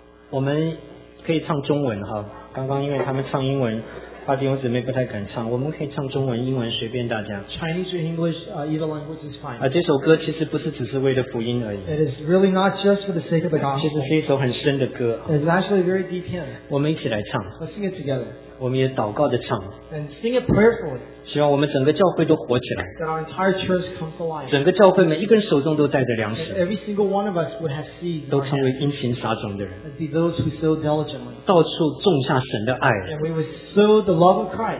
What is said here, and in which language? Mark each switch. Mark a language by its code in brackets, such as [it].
[zh] 我们可以唱中文哈，刚刚因为他们唱英文，八弟兄姊妹不太敢唱，我们可以唱中文、英文，随便大家。 [en] Chinese or English, either language is fine. [zh] 这首歌其实不是只是为了福音而已。 [en] It is really not just for the sake of the gospel. [zh] 其实是一首很深的歌。 [en] It's actually a very deep hymn. [zh] 我们一起来唱。 [en] Let's sing it together. [zh] 我们也祷告的唱。 [en] And sing it prayerfully. [zh] 希望我们整个教会都活起来。 [en] That our entire church comes alive. [zh] 整个教会每一个人手中都带着粮食。 [en] Every single one of us would have seed. [zh] 都成为殷勤撒种的人。 [en] And be those who sow diligently. [zh] 到处种下神的爱。 [en] And we would sow the love of Christ.